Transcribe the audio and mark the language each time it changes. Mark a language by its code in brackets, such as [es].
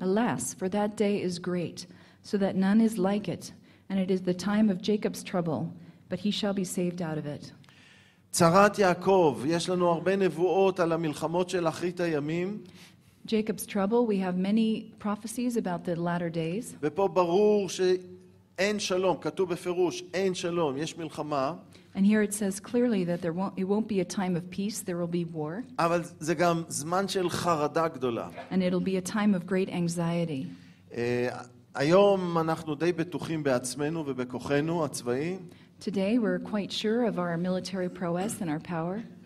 [en] Alas, for that day is great, so that none is like it, and it is the time of Jacob's trouble, but he shall be saved out of it. [he] צרת יעקב, יש לנו הרבה נבואות על המלחמות של אחרית הימים. [en] Jacob's trouble, we have many prophecies about the latter days. [he] ופה ברור שאין שלום, כתוב בפירוש, אין שלום, יש מלחמה. [en] And here it says clearly that it won't be a time of peace, there will be war. [he] אבל זה גם זמן של חרדה גדולה. [en] And it'll be a time of great anxiety. [he] היום אנחנו די בטוחים בעצמנו ובכוחנו הצבאי. [en] Today we're quite sure of our military prowess and our power.